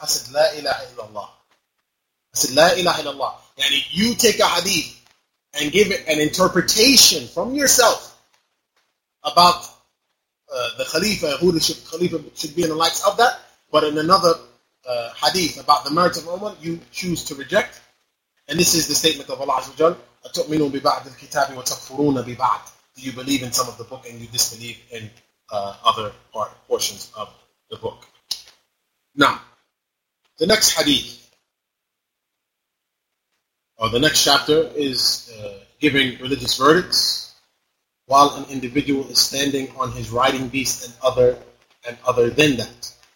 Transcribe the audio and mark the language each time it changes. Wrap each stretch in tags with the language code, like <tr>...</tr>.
<en>I said, La ilaha illallah. And if you take a hadith and give it an interpretation from yourself about the Khalifa, who the Khalifa should be in the likes of that, but in another hadith about the merits of Umar, you choose to reject. And this is the statement of Allah Azza wa Jal.</en> <ar>أتؤمنوا ببعض الكتاب وتكفرون ببعض.</ar> <en>Do you believe in some of the book and you disbelieve in other portions of the book? Now, the next hadith, or the next chapter, is giving religious verdicts while an individual is standing on his riding beast and other than that.</en>